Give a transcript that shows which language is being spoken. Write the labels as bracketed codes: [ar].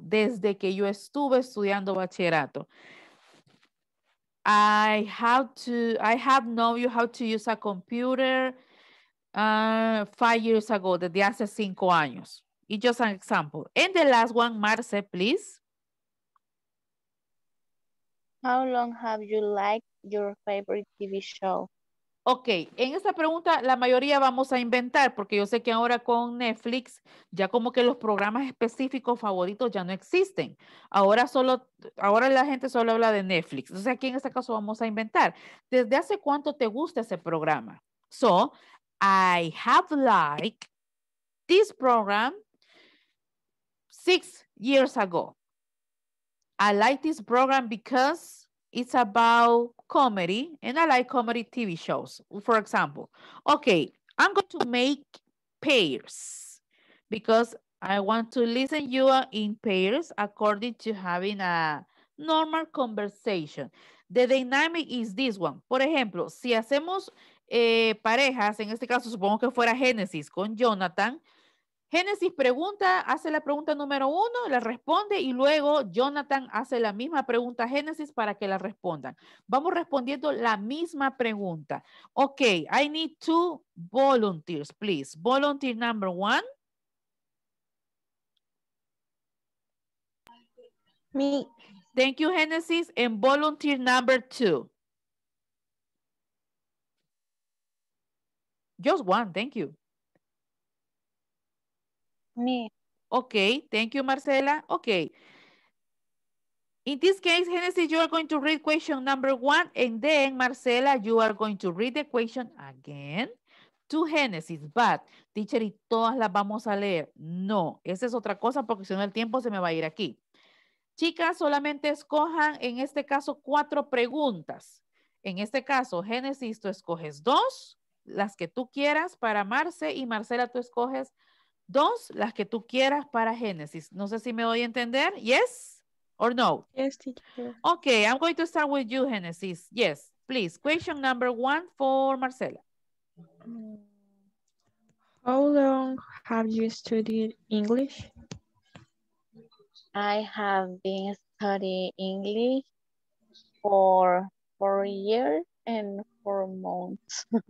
[es] Desde que yo estuve estudiando bachillerato. [en] I have known you how to use a computer 5 years ago, [es] desde hace 5 años. [en] It's just an example. And the last one, Marce, please. How long have you liked your favorite TV show? [es] Okay, en esta pregunta la mayoría vamos a inventar, porque yo sé que ahora con Netflix ya como que los programas específicos favoritos ya no existen. Ahora la gente solo habla de Netflix. Entonces aquí en este caso vamos a inventar. ¿Desde hace cuánto te gusta ese programa? [en] So, I have liked this program 6 years ago. I like this program because it's about comedy, and I like comedy TV shows, for example. Okay, I'm going to make pairs because I want to listen you in pairs according to having a normal conversation. The dynamic is this one. [es] Por ejemplo, si hacemos parejas, en este caso supongo que fuera Genesis con Jonathan. Genesis pregunta, hace la pregunta número 1, la responde y luego Jonathan hace la misma pregunta a Genesis para que la respondan. Vamos respondiendo la misma pregunta. [en] Ok, I need 2 volunteers, please. Volunteer number 1. Me. Thank you, Genesis. And volunteer number 2. Just 1, thank you. Me. Okay, thank you, Marcela. Okay. In this case, Genesis, you are going to read question number one, and then, Marcela, you are going to read the question again to Genesis. [es] But, teacher, ¿y todas las vamos a leer? No, esa es otra cosa porque si no el tiempo se me va a ir aquí. Chicas, solamente escojan, en este caso, cuatro preguntas. En este caso, Genesis, tú escoges dos, las que tú quieras para Marce, y Marcela, tú escoges dos, las que tú quieras para Genesis. No sé si me doy a entender. [en] ¿Yes? Or no? Yes, teacher. Okay, I'm going to start with you, Genesis. Yes, please. Question number one for Marcela. How long have you studied English? I have been studying English for 4 years and 4 months.